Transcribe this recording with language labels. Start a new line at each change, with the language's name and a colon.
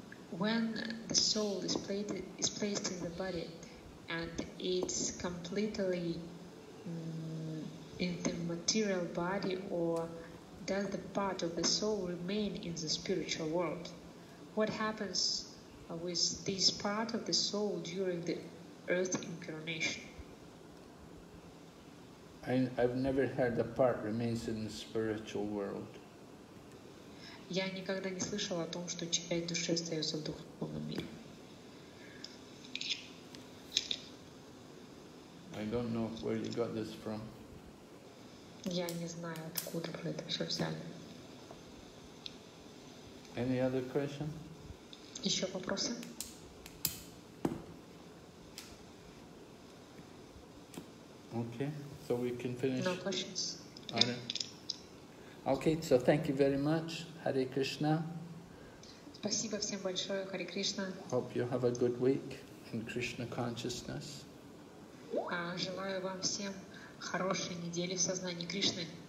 English: When the soul is placed in the body, and it's completely in the material body, or does the part of the soul remain in the spiritual world? What happens with this part of the soul during the earth incarnation? I've never heard the part remains in the spiritual world.
Russian: Я никогда не слышал о том, что часть души остается в духовном мире.
English: I don't know where you got this from.
Russian: Я не знаю, откуда вы это все взяли.
English: Any other question?
Russian: Еще вопросы?
English: Okay, so we can finish. No questions. All right. Okay, so thank you very much. Hare Krishna.
Russian: Спасибо всем большое. Hare Krishna.
English: Hope you have a good week in Krishna consciousness.
Russian: Желаю вам всем хорошей недели в сознании Кришны.